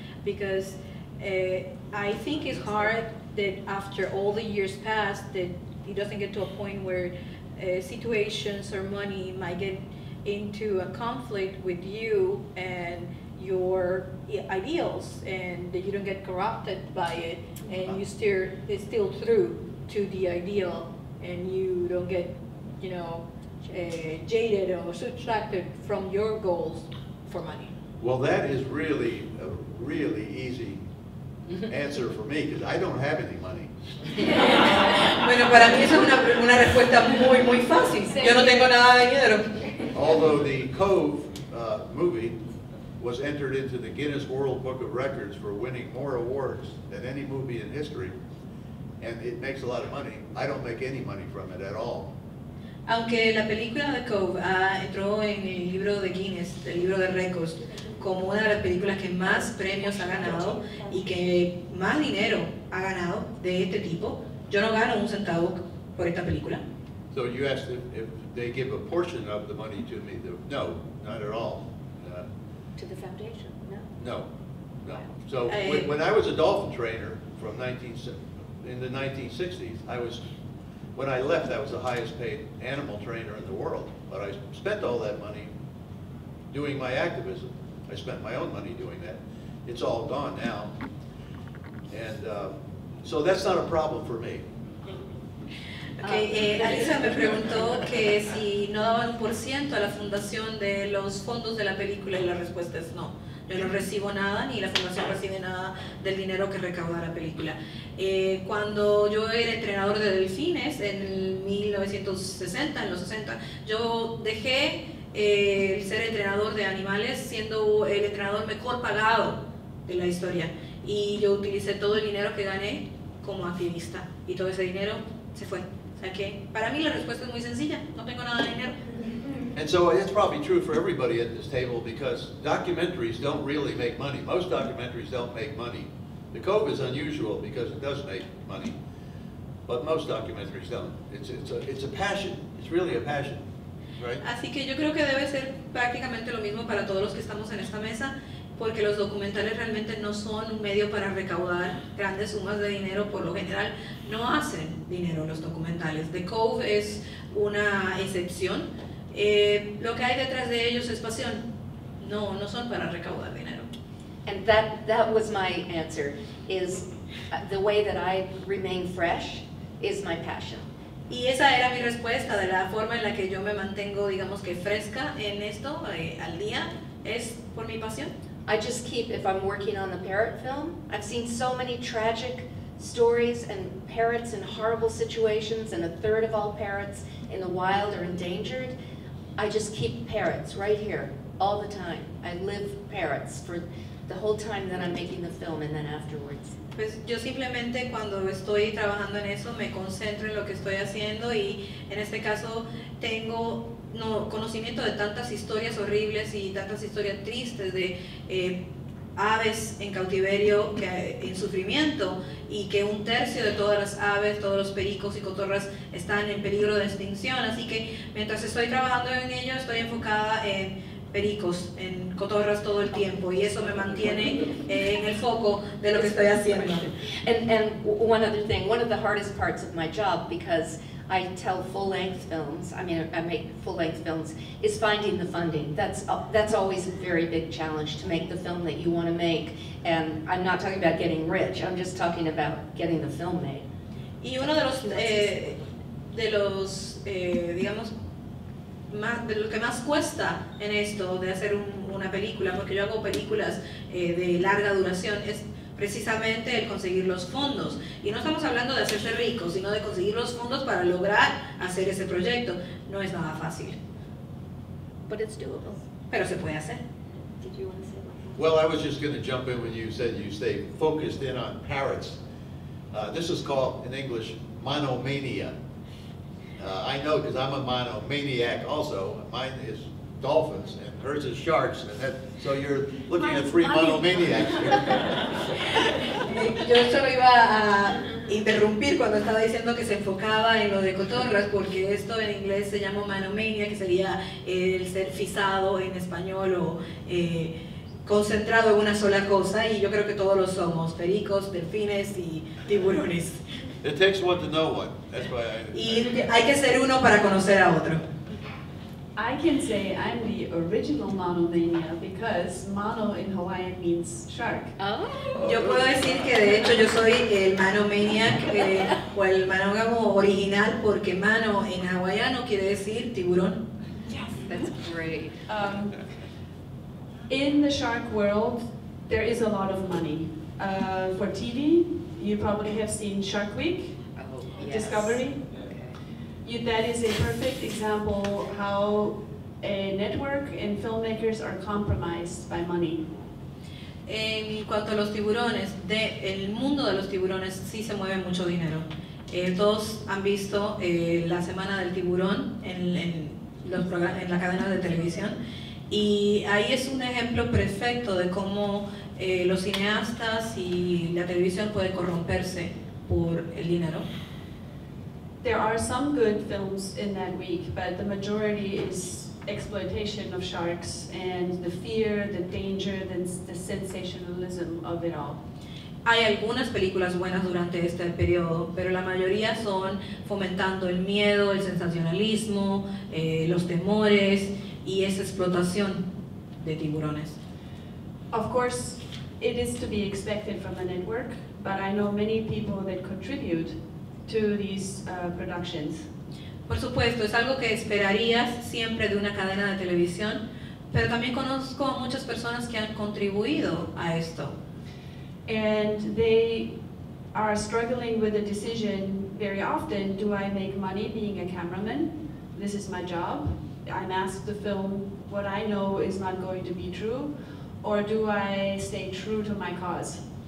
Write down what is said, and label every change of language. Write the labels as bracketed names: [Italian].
[English] Because I think it's hard that after all the years passed that it doesn't get to a point where situations or money might get into a conflict with you and your ideals and you don't get corrupted by it and you steer it still through to the ideal and you don't get, you know, jaded or subtracted from your goals for money. Well, that is really a really easy answer for me because I don't have any money. [Spanish] Bueno, para mí eso es una respuesta muy muy fácil. Yo no tengo nada de dinero. [English] Although the Cove movie was entered into the Guinness World Book of Records for winning more awards than any movie in history, and it makes a lot of money. I don't make any money from it at all. [Spanish] Aunque la película de Cove entró en el libro de Guinness, el libro de récords, como una de las películas que más premios ha ganado y que más dinero ha ganado de este tipo, yo no gano un centavo por esta película. [English] So you asked if they give a portion of the money to me. No, not at all. To the foundation, no? No, no. So when I was a dolphin trainer from in the 1960s, I was, when I left, I was the highest paid animal trainer in the world. But I spent all that money doing my activism. I spent my own money doing that. It's all gone now. And so that's not a problem for me. [Spanish] Que Alisa me preguntó que si no daba un por ciento a la fundación de los fondos de la película y la respuesta es no. Yo no recibo nada ni la fundación recibe nada del dinero que recauda la película. Cuando yo era entrenador de delfines en 1960, en los 60, yo dejé el ser entrenador de animales siendo el entrenador mejor pagado de la historia. Y yo utilicé todo el dinero que gané como activista y todo ese dinero se fue. Okay. Para mí la respuesta es muy sencilla. No tengo nada de dinero. [English] And so it's probably true for everybody at this table because documentaries don't really make money. Most documentaries don't make money. The Cove is unusual because it does make money, but most documentaries don't. It's a passion. It's really a passion, right? [Spanish] Así que yo creo que debe ser prácticamente lo mismo para todos los que estamos en esta mesa. porque los documentales realmente no son un medio para recaudar grandes sumas de dinero. Por lo general no hacen dinero los documentales. The Cove es una excepción. Lo que hay detrás de ellos es pasión. No, no son para recaudar dinero. [English] And that was my answer, is the way that I remain fresh is my passion. [Spanish] Y esa era mi respuesta, de la forma en la que yo me mantengo, digamos que fresca en esto, al día, es por mi pasión. [English] I just keep, if I'm working on the parrot film, I've seen so many tragic stories and parrots in horrible situations, and a third of all parrots in the wild are endangered. I just keep parrots right here, all the time. I live parrots for the whole time that I'm making the film and then afterwards. [Spanish] Pues yo simplemente cuando estoy trabajando en eso me concentro en lo que estoy haciendo, y en este caso tengo conocimiento de tantas historias horribles y tantas historias tristes de aves en cautiverio, que en sufrimiento, y que un tercio de todas las aves, todos los pericos y cotorras están en peligro de extinción. Así que mientras estoy trabajando en ello, estoy enfocada en pericos, en cotorras todo el tiempo, y eso me mantiene en el foco de lo que estoy haciendo. [English] And one other thing, one of the hardest parts of my job, because I tell full-length films, I mean, I make full-length films, is finding the funding. That's always a very big challenge, to make the film that you want to make. And I'm not talking about getting rich, I'm just talking about getting the film made. [Spanish] Y uno de los, digamos, más, de lo que más cuesta en esto de hacer una película, porque yo hago películas de larga duración, es precisamente el conseguir los fondos. Y no estamos hablando de hacerse rico, sino de conseguir los fondos para lograr hacer ese proyecto. No es nada fácil. [English] But it's doable. [Spanish] Pero se puede hacer. [English] Did you want to say something? Well, I was just going to jump in when you said you stay focused in on parrots. This is called, in English, monomania. I know, because I'm a monomaniac also. Mine is dolphins and hers is sharks, and that, so you're looking at three monomaniacs here. [Spanish] Yo solo iba a interrumpir cuando estaba diciendo que se enfocaba en lo de cotorras, porque esto en inglés se llama monomania, que sería el ser fijado en español o concentrado en una sola cosa, y yo creo que todos lo somos, pericos, delfines y tiburones. [English] It takes one to know one. That's why I... [Spanish] Y hay que ser uno para conocer a otro. [English] I can say I'm the original monomania, because mono in Hawaiian means shark. Oh. [Spanish] Yo puedo decir que de hecho yo soy el monomaniac o el monógamo original, porque mano en hawaiano quiere decir tiburón. [English] Yes, that's great. In the shark world, there is a lot of money. For TV, you probably have seen Shark Week, yes. Discovery. That is a perfect example how a network and filmmakers are compromised by money. [Spanish] En cuanto a los tiburones, el mundo de los tiburones sí se mueve mucho dinero. Todos han visto la semana del tiburón en la cadena de televisión, y ahí es un ejemplo perfecto de cómo los cineastas y la televisión puede corromperse por el dinero. [English] There are some good films in that week, but the majority is exploitation of sharks and the fear, the danger, the sensationalism of it all. [Spanish] Hay algunas películas buenas durante este periodo, pero la mayoría son fomentando el miedo, el sensacionalismo, los temores y esa explotación de tiburones. [English] Of course, it is to be expected from a network, but I know many people that contribute to these productions. [Spanish] Por supuesto, es algo que esperarías siempre de una cadena de televisión, pero también conozco a muchas personas que han contribuido a esto. [English] And they are struggling with the decision very often, do I make money being a cameraman? This is my job. I'm asked to film what I know is not going to be true, or do I stay true to my cause?